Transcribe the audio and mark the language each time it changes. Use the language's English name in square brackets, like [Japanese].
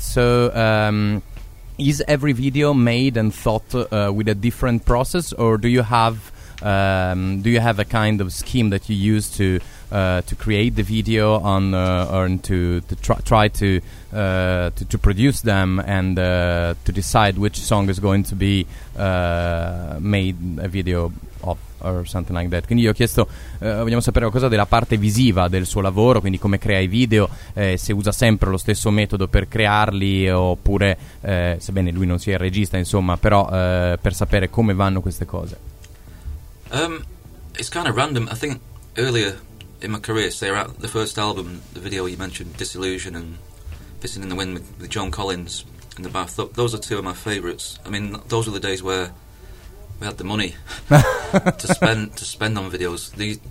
[English] So, is every video made and thought with a different process, or do you have a kind of scheme that you use to create the video on or to try to produce them and to decide which song is going to be made a video of or something like that? [Italian] Quindi io ho chiesto, vogliamo sapere qualcosa della parte visiva del suo lavoro, quindi come crea i video, se usa sempre lo stesso metodo per crearli, oppure sebbene lui non sia il regista, insomma, però per sapere come vanno queste cose. [English] It's kind of random. I think earlier in my career, say around the first album, the video you mentioned, Disillusion and Pissing in the Wind with John Collins in the bath, those are two of my favourites. I mean, those were the days where we had the money to spend on videos.